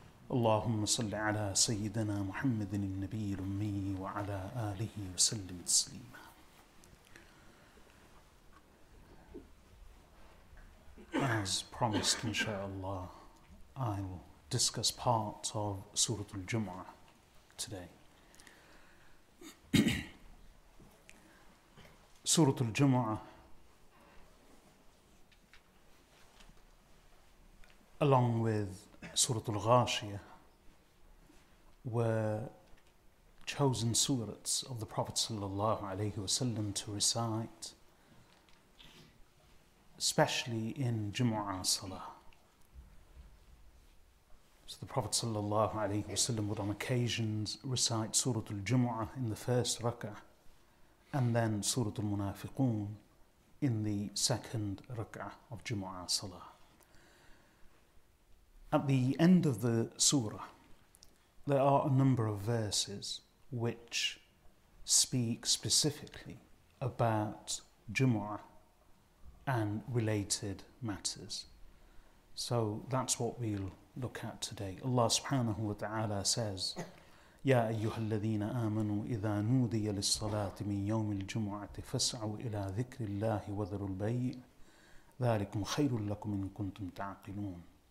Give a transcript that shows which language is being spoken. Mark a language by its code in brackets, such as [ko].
[ar] اللهم صل على سيدنا محمد النبي الأمي وعلى آله وسلم تسليما [en] As promised inshallah I will discuss part of Surah Al-Jumu'ah today. Surah Al-Jumu'ah, along with Surah Al-Ghashiyah, were chosen surahs of the Prophet sallallahu alayhi wasallam to recite, especially in Jumu'ah Salah. So the Prophet sallallahu alaihi wasallam would on occasions recite Surah Al-Jumu'ah in the first rak'ah and then Surah Al-Munafiqun in the second rak'ah of Jumu'ah Salah. At the end of the surah, there are a number of verses which speak specifically about Jumu'ah and related matters. So that's what we'll look at today. Allah subhanahu wa ta'ala says, [ar] يَا أَيُّهَا الَّذِينَ آمَنُوا إِذَا نُودِيَ لِلصَّلَاةِ مِنْ يَوْمِ الْجُمُعَةِ فَاسْعُوا إِلَىٰ ذِكْرِ اللَّهِ وَذَرُوا الْبَيْءِ ذَلِكُمْ خَيْرٌ لَكُمْ إِن كُنْتُمْ تَعْقِلُونَ